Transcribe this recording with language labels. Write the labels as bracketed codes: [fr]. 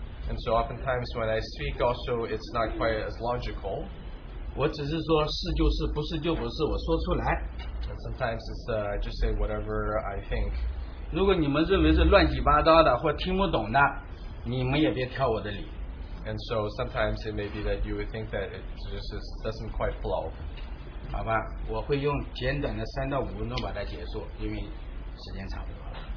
[en] And so oftentimes when I speak, also it's not quite as logical. [zh] 我只是说是就是，不是就不是，我说出来。 [en] And sometimes it's I just say whatever I think. [zh] 如果你们认为是乱七八糟的或听不懂的，你们也别挑我的理。 [en] And so sometimes it may be that you would think that it just doesn't quite flow. [zh] 好吧, 我会用简短的3到5分钟把它结束, 因为时间差不多了。